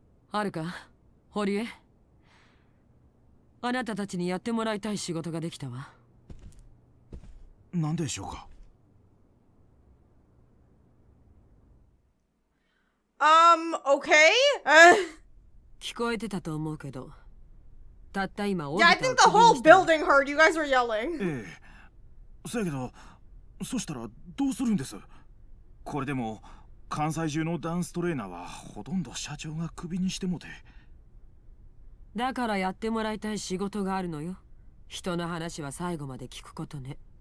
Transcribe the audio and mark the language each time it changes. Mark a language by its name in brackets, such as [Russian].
[Japanese] ハルカ、堀江、あなたたちにやってもらいたい仕事ができたわ。何でしょうか？ [English] Okay? [Japanese] 聞こえてたと思うけど、たった今、降りた。 [English] Yeah, I think the whole building heard. You guys were yelling. [Japanese] ええ。せやけど、そしたらどうするんです？これでも、関西中のダンストレーナーはほとんど社長がクビにしてもて。だからやってもらいたい仕事があるのよ。人の話は最後まで聞くことね。